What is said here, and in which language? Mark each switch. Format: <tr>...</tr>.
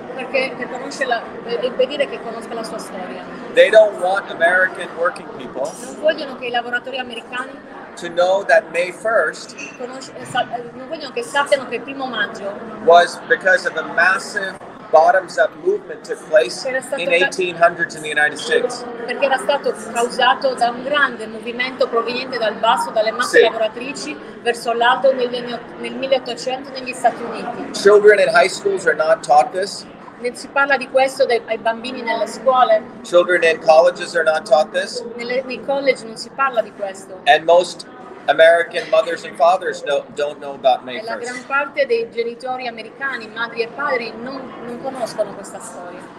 <en>They don't want American working people to know that May 1st was because of a massive bottoms-up movement took place in 1800s in the United States.</en> <it>Perché era stato causato da un grande movimento proveniente dal basso, dalle masse lavoratrici verso l'alto nel 1800 negli Stati Uniti.</it> <en>Children in high schools are not taught this.</en> <it>Non si parla di questo ai bambini nelle scuole.</it> <en>Children in colleges are not taught this.</en> <it>Nei college non si parla di questo.</it> <en>And most American mothers and fathers don't know about May 1st.</en> <it>La gran parte dei genitori americani, madri e padri, non conoscono questa storia.</it>